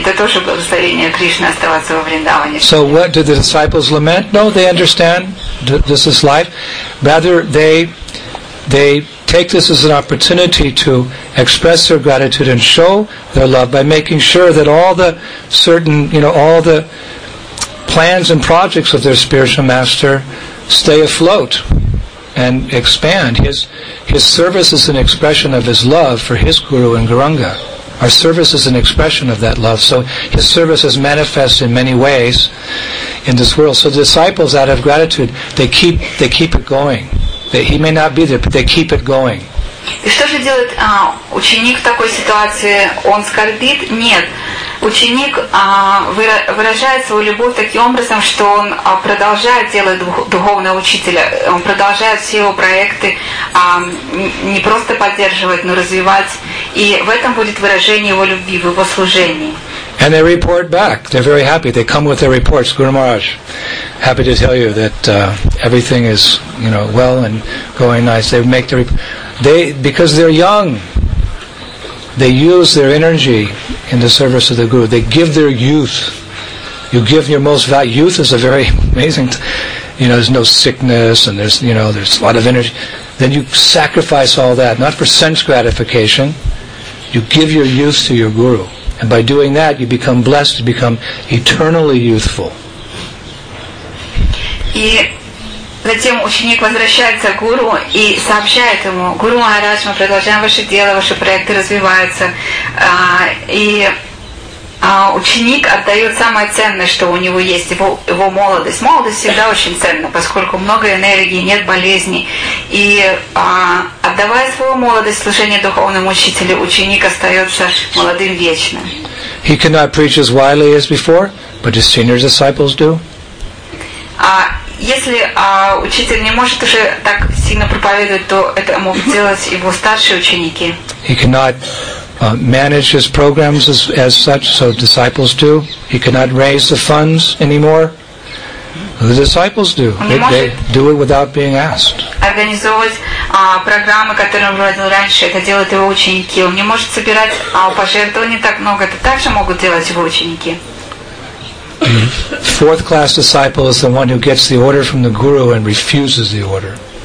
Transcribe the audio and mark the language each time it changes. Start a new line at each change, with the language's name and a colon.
Russian: Это тоже благословение Кришны оставаться во Вриндаване.
English: So what do the disciples lament? No, they understand this is life. Rather, they take this as an opportunity to express their gratitude and show their love by making sure that all the certain, you know, all the plans and projects of their spiritual master stay afloat and expand. His service is an expression of his love for his guru and Gauranga. Our service is an expression of that love. So his service is manifest in many ways in this world. So the disciples, out of gratitude, they keep it going. He may not be there, but they keep it going.
Russian: И что же делает ученик в такой ситуации? Он скорбит? Нет. Ученик выражает свою любовь таким образом, что он продолжает дело духовного учителя. Он продолжает все его проекты не просто поддерживать, но развивать И в этом будет выражение его любви, в его служении.
English: And they report back. They're very happy. They come with their reports. Guru Maharaj, happy to tell you that everything is, you know, well and going nice. They make the they because they're young. They use their energy in the service of the Guru. They give their youth. You give your most value. Youth is a very amazing. You know, there's no sickness, and there's, you know, there's a lot of energy. Then you sacrifice all that, not for sense gratification. You give your youth to your Guru. And by doing that, you become blessed, you become eternally youthful.
Russian: И затем ученик возвращается к Гуру и сообщает ему: Гуру Махарадж, мы продолжаем ваше дело, ваши проекты развиваются. И ученик отдает самое ценное, что у него есть, его молодость. Молодость всегда очень ценна, поскольку много энергии, нет болезней. И отдавая свою молодость служению духовному учителю, ученик остается молодым вечно.
English: He cannot preach as widely as before, but his senior disciples do.
Russian: Если учитель не может уже так сильно проповедовать, то это могут делать его старшие ученики.
English: He cannot manage his programs as such, so disciples do. He cannot raise the funds anymore. The disciples do. They do it without being asked.
Russian: Организовывать программы, которые он проводил раньше, это делают его ученики. Он не может собирать пожертвования так много, это также могут делать его ученики.
English: Fourth class disciple is the one who gets the order from the guru and refuses the order.